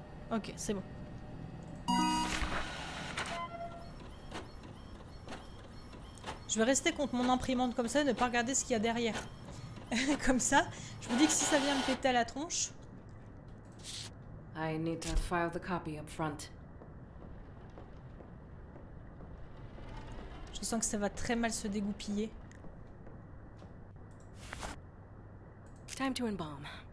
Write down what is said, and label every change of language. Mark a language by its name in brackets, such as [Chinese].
[French] Ok, c'est bon. Je vais rester contre mon imprimante comme ça et ne pas regarder ce qu'il y a derrière. Comme ça, je vous dis que si ça vient me péter à la tronche. [English] I need to file the copy up front. [French] Je sens que ça va très mal se dégoupiller. [English] Time to embalm.